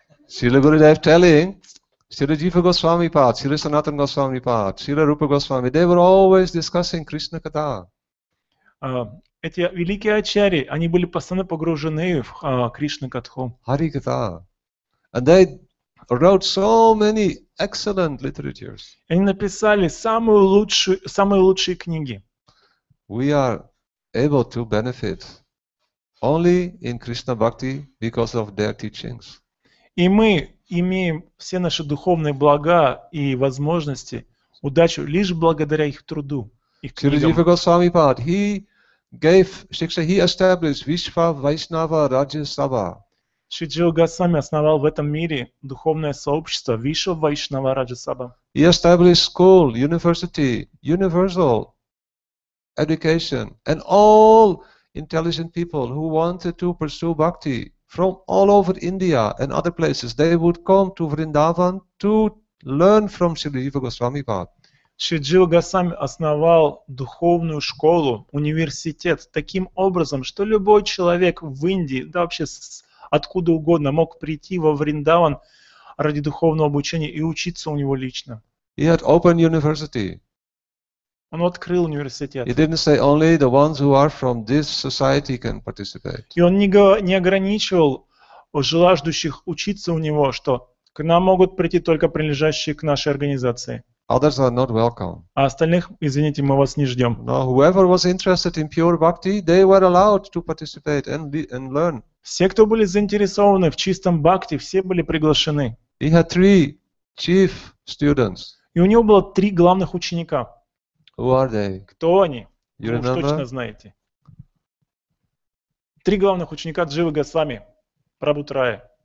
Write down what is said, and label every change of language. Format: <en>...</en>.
<en>Srila Gurudev telling, Srila Jiva Goswami Pad, Srila Sanatan Goswami Pad, Srila Rupa Goswami, they were always discussing Krishna Katha.</en> <ru>Эти великие ачарьи, они были постоянно погружены в Кришна-катху.</ru> <en>Харикатха. And they wrote so many excellent literatures.</en> <ru>Они написали самые лучшие книги.</ru> <en>We are able to benefit only in Krishna Bhakti because of their teachings.</en> <ru>И мы имеем все наши духовные блага и возможности, удачу, лишь благодаря их труду, их книгам.</ru> <en>He gave, Shiksha, he established Vishva, Vaishnava, Rajasava.</en> <ru>Шри Джива Госвами основал в этом мире духовное сообщество Вишва Вайшнава Раджасаба.</ru> <en>He established school, university, universal education, and all intelligent people who wanted to pursue bhakti from all over India and other places, they would come to Vrindavan to learn from Шри Джива Госвами Пад.</en> <ru>Шри Джива Госвами основал духовную школу, университет таким образом, что любой человек в Индии, да вообще откуда угодно, мог прийти во Вриндаван ради духовного обучения и учиться у него лично.</ru> <en>He had open university.</en> <ru>Он открыл университет.</ru> <en>He didn't say only the ones who are from this society can participate.</en> <ru>И он не ограничивал желающих учиться у него, что к нам могут прийти только принадлежащие к нашей организации.</ru> <en>Others are not welcome.</en> <ru>А остальных, извините, мы вас не ждем.</ru> <en>No, whoever was interested in pure bhakti, they were allowed to participate and learn.</en> <ru>Все, кто были заинтересованы в чистом бхакти, все были приглашены.</ru> <en>He had three chief students.</en> <ru>И у него было три главных ученика.</ru> <en>Who are they?</en> <ru>Кто они?</ru> <en>You</en> <ru>вы</ru> <en>remember?</en> <ru>Уж точно знаете. Три главных ученика Дживы Госвами, Прабутрая.</ru>